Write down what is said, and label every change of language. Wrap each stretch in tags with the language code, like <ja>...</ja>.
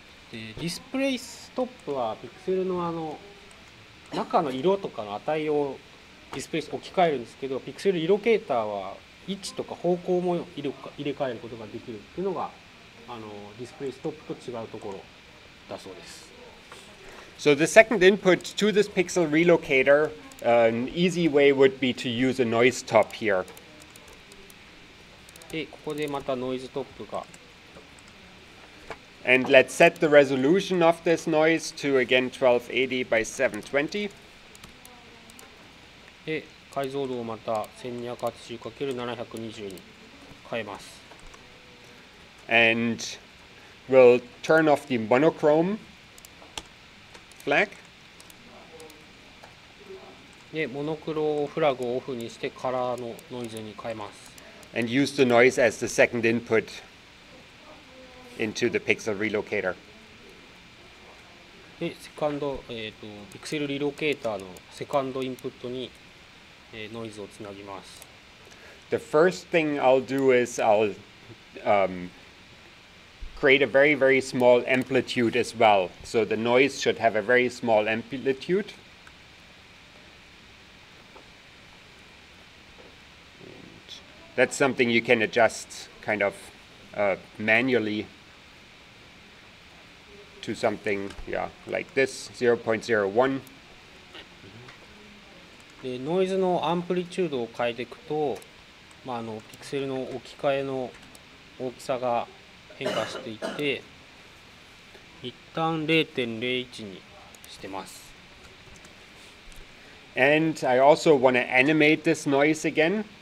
<ja>The display stop は pixel の中の色とかの値を display 置き換えるんですけど、pixel relocator は位置とか方向も入れ替えることができるっていうのがディスプレイストップと違うところだそうです。</ja> <en>So the second input to this pixel relocator, an easy way would be to use a noise top here.</en> <ja>で、ここでまたノイズトップが。</ja> <en>And let's set the resolution of this noise to again 1280 by 720.</en> <ja>解像度をまた 1280×720 に変えます。</ja> <en>And we'll turn off the monochrome flag.</en> <ja>で、モノクロフラグをオフにしてカラーのノイズに変えます。</ja> <en>And use the noise as the second input into the pixel relocator.</en> <ja>で、セカンド、ピクセルリロケーターのセカンドインプットにノイズをつなぎます。</ja> <en>The first thing I'll do is I'll create a very very small amplitude as well. So the noise should have a very small amplitude. And that's something you can adjust kind of manually to something, yeah, like this 0.01.</en> <ja>でノイズのアンプリチュードを変えていくと、まあ、ピクセルの置き換えの大きさが変化していって、一旦 0.01 にしてます。</ja> <en>And I also want to animate this noise again.</en>